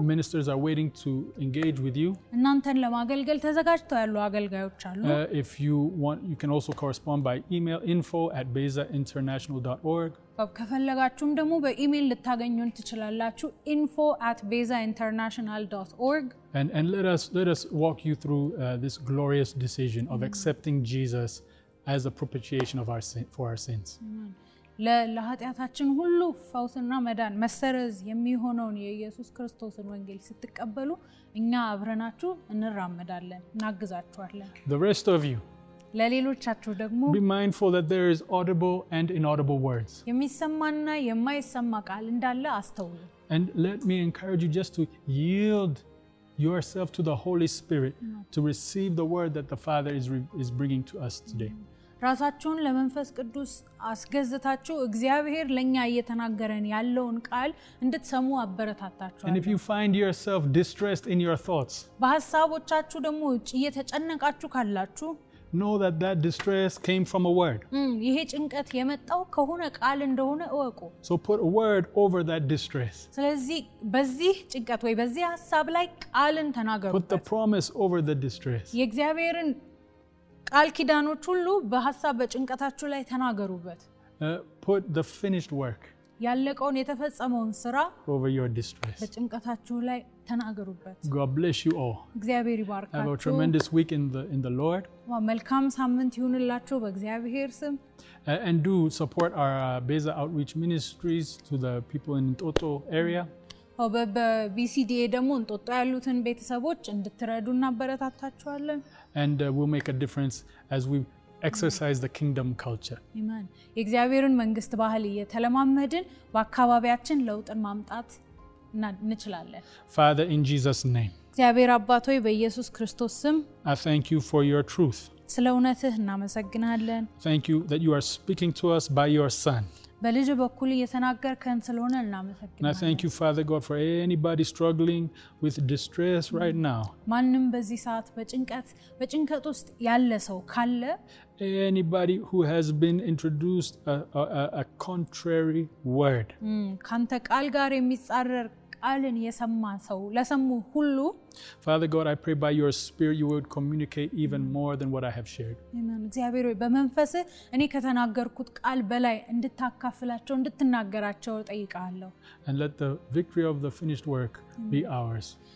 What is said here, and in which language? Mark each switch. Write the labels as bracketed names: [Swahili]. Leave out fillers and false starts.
[English] ministers are waiting to engage with you [Amharic] እናንተን ለማገልገል ተዘጋጅተው ያሉ አገልጋዮች አሉ [English] if you want you can also correspond by email info@bezainternational.org [Amharic] ከፈለጋችሁም ደግሞ በኢሜይል ልታገኙን ትችላላችሁ info@bezainternational.org [English] and let us walk you through this glorious decision of accepting Jesus as a propitiation of our sin for our sins [Amharic] ለኃጢአታችን ሁሉ ፈውስና መዳን መሰረዝ የሚሆነውን የኢየሱስ ክርስቶስን ወንጌል ስትቀበሉ እኛ አብረናችሁ እንራመዳለን እናግዛችኋለን [English] the rest of you [Amharic] ለሌሎቻችሁ ደግሞ [English] be mindful that there is audible and inaudible words [Amharic] የሚሰማና የማይሰማ ቃል እንዳለ አስተውሉ [English] and let me encourage you just to yield yourself to the Holy Spirit to receive the word that the Father is bringing to us today [Amharic] ራሳችሁን ለመንፈስ ቅዱስ አስገዝታችሁ እግዚአብሔር ለኛ እየተናገረን ያለውን ቃል እንድትሰሙ አበረታታችኋለሁ [English] And if you find yourself distressed in your thoughts [Amharic] በሐሳቦቻችሁ ደግሞ እየተጨነቃችሁ ካላችሁ [English] know that that distress came from a word [Amharic] ይሄ ጭንቀት የመጣው ከሆነ ቃል እንደሆነ እወቁ [English] so put a word over that distress [Amharic] ስለዚህ በዚህ ጭንቀት ወይ በዚህ ሐሳብ ላይ ቃልን ተናገሩ [English] put the promise over the distress [Amharic] የእግዚአብሔርን ቃል ኪዳኖች ሁሉ በሐሳብ በጭንቀታችሁ ላይ ተናገሩበት [English] put the finished work [Amharic] ያለቀውን የተፈጸመውን ስራ [English] over your distress [Amharic] በጭንቀታችሁ ላይ ተናገሩበት [English] God bless you all [Amharic] እግዚአብሔር ይባርካችሁ [English] Have a tremendous week in the Lord [Amharic] መልካም ሳምንት ይሁንላችሁ በእግዚአብሔር ስም [English] and do support our Beza outreach ministries to the people in Ntoto area [Amharic] በBCDA ደግሞ እንጦጦ ያሉትን ቤተሰቦች እንድትረዱና አበረታታችኋለን [English] and we'll make a difference as we exercise the kingdom culture [Amharic] amen እግዚአብሔርን መንግስት ባህል እየተለማመድን በአካባቢያችን ለውጥን ማምጣት እንችላለን [English] Father in Jesus name [Amharic] እግዚአብሔር አባቶይ በኢየሱስ ክርስቶስ ስም [English] I thank you for your truth [Amharic] ስለእውነትህ እናመሰግናለን [English] thank you that you are speaking to us by your son [Amharic] በልጅ በኩል እየተናገርከን ስለሆነ እናመሰግናለን [English] I thank you Father God for anybody struggling with distress right now [Amharic] ማንንም በዚህ ሰዓት በጭንቀት ውስጥ ያለ ሰው ካለ [English] anybody who has been introduced a contrary word [Amharic] ካንተ ቃል ጋር የሚጻረር ቃልን የሰማ ሰው ለሰሙ ሁሉ [English] Father God I pray by your spirit you would communicate even more than what I have shared. Amen. [Amharic] እግዚአብሔር በመንፈስ እኔ ከተናገርኩት ቃል በላይ እንድታካፍላቸው እንድትናገራቸው ጠይቃለሁ. [English] And let the victory of the finished work be ours.